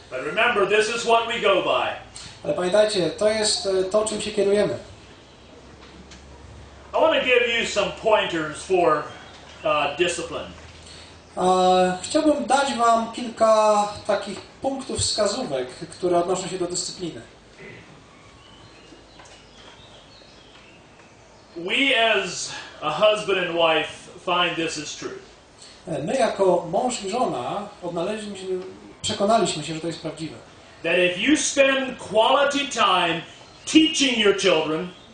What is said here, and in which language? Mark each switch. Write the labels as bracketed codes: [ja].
[en] But remember, this is what we go by. [pl] Ale pamiętajcie, to jest to, czym się kierujemy. [en] I want to give you some pointers for discipline. [pl] Chciałbym dać wam kilka takich punktów wskazówek, które odnoszą się do dyscypliny. [en] We as a husband and wife find this is true. [pl] My jako mąż i żona przekonaliśmy się, że to jest prawdziwe. [en] That if you spend quality time teaching your children,